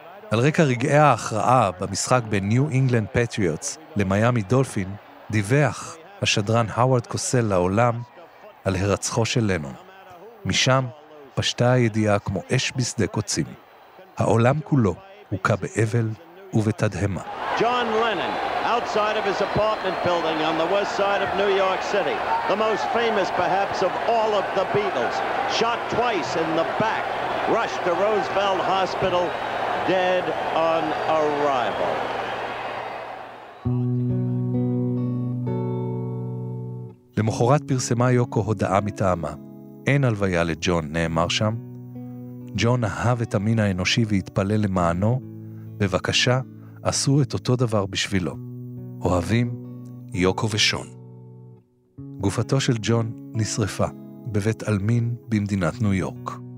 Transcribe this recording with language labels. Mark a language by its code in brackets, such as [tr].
[he] על רקע רגעי ההכרעה במשחק בין ניו אינגלנד פטריוטס למיאמי דולפין, דיווח השדרן הווארד קוסל לעולם על הרצחו של לנון. משם פשטה הידיעה כמו אש בשדה קוצים. העולם כולו הוקע באבל ובתדהמה. [en] ג'ון לנון, outside of his apartment building on the west side of New York City, the most famous perhaps of all of the Beatles, shot twice in the back, rushed to Roosevelt Hospital, dead on arrival. [he] למחרת פרסמה יוקו הודעה מטעמה. אין הלוויה לג'ון, נאמר שם. ג'ון אהב את המין האנושי והתפלל למענו, בבקשה, עשו את אותו דבר בשבילו. אוהבים, יוקו ושון. גופתו של ג'ון נשרפה בבית אלמין במדינת ניו יורק.